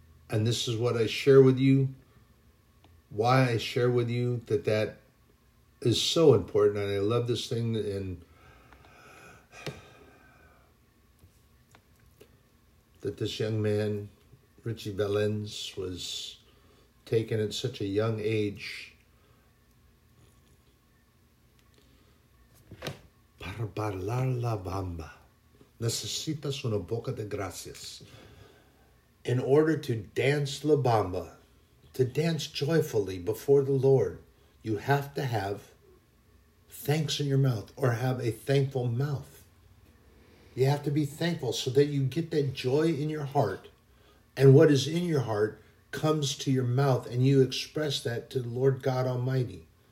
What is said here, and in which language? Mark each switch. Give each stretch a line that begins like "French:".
English: And this is what I share with you, why I share with you that is so important. And I love this thing. And that this young man, Richie Valens, was taken at such a young age.
Spanish: Para hablar la bamba, necesitas una boca de gracias.
English: In order to dance la bamba, to dance joyfully before the Lord, you have to have thanks in your mouth, or have a thankful mouth. You have to be thankful so that you get that joy in your heart, and what is in your heart comes to your mouth, and you express that to the Lord God Almighty.